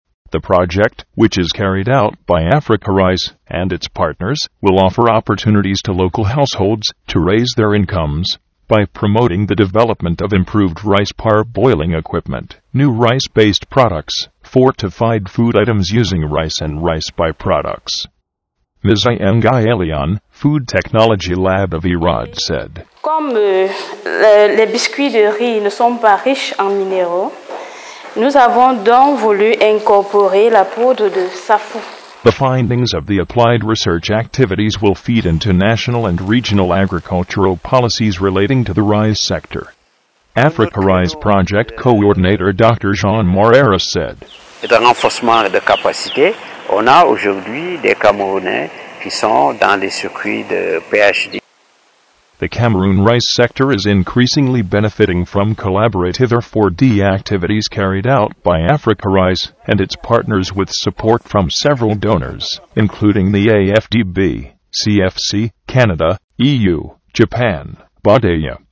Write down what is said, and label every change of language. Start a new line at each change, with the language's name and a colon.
English: The project, which is carried out by AfricaRice and its partners, will offer opportunities to local households to raise their incomes by promoting the development of improved rice parboiling equipment, new rice-based products, fortified food items using rice and rice byproducts. Ms. Iengai Elion, Food Technology Lab of IRAD, said,
French: comme les biscuits de riz ne sont pas riches en minéraux, nous avons donc voulu incorporer la poudre de safou.
English: The findings of the applied research activities will feed into national and regional agricultural policies relating to the rice sector. AfricaRice project coordinator Dr. Jean Morera said,
French: c'est un renforcement de capacité. On a aujourd'hui des Camerounais qui sont dans les circuits de PhD.
English: The Cameroon rice sector is increasingly benefiting from collaborative R4D activities carried out by AfricaRice and its partners, with support from several donors, including the AfDB, CFC, Canada, EU, Japan, Bahrain,